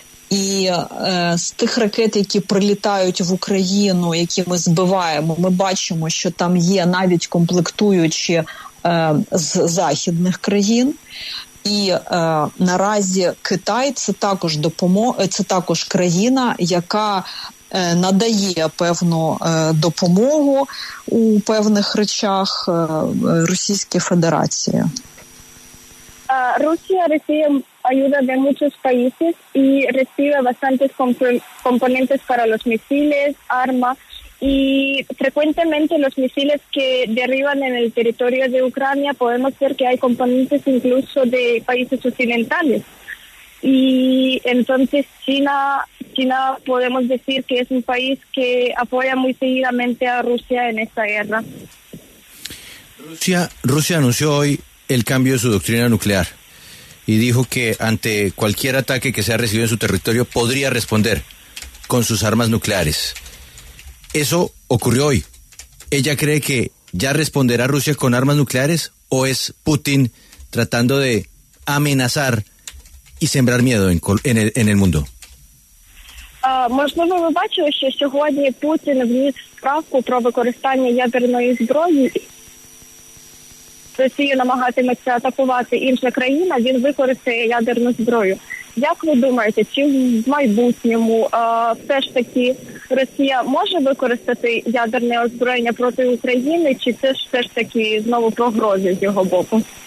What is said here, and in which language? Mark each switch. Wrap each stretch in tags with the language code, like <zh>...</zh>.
<uk>І з тих ракет, які прилітають в Україну, які ми збиваємо, ми бачимо, що там є навіть комплектуючі з західних країн. І наразі Китай – це також країна, яка надає певну допомогу у певних речах Російській Федерації.</uk> <es>Rusia recibe ayuda de muchos países y recibe bastantes componentes para los misiles, armas, y frecuentemente los misiles que derriban en el territorio de Ucrania podemos ver que hay componentes incluso de países occidentales. Y entonces China podemos decir que es un país que apoya muy seguidamente a Rusia en esta guerra. Rusia anunció hoy el cambio de su doctrina nuclear y dijo que ante cualquier ataque que sea recibido en su territorio podría responder con sus armas nucleares. Eso ocurrió hoy. ¿Ella cree que ya responderá Rusia con armas nucleares o es Putin tratando de amenazar y sembrar miedo en el mundo?</es> <uk>Можливо, ви бачили, що сьогодні Путін вніс правку про використання ядерної зброї. Росію намагатиметься атакувати інша країна, він використає ядерну зброю. Як ви думаєте, чи в майбутньому все ж таки Росія може використати ядерне озброєння проти України, чи це ж все ж таки знову погрози з його боку?</uk>